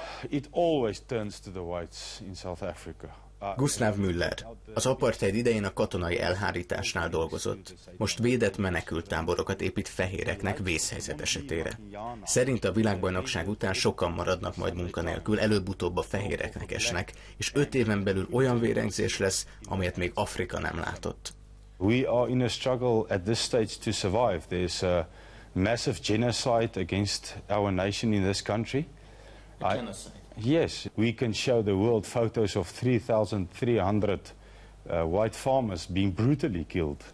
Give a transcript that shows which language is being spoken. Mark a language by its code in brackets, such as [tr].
[en] It always turns to the whites in South Africa. [hu] Gustav Müller az apartheid idején a katonai elhárításnál dolgozott. Most védett menekülttáborokat épít fehéreknek vészhelyzet esetére. Szerint a világbajnokság után sokan maradnak majd munkanélkül, előbb-utóbb a fehéreknek esnek, és 5 éven belül olyan vérengzés lesz, amelyet még Afrika nem látott. [en] We are in a struggle at this stage to survive. There's a massive genocide against our nation in this country. Yes, we can show the world photos of 3,300 white farmers being brutally killed.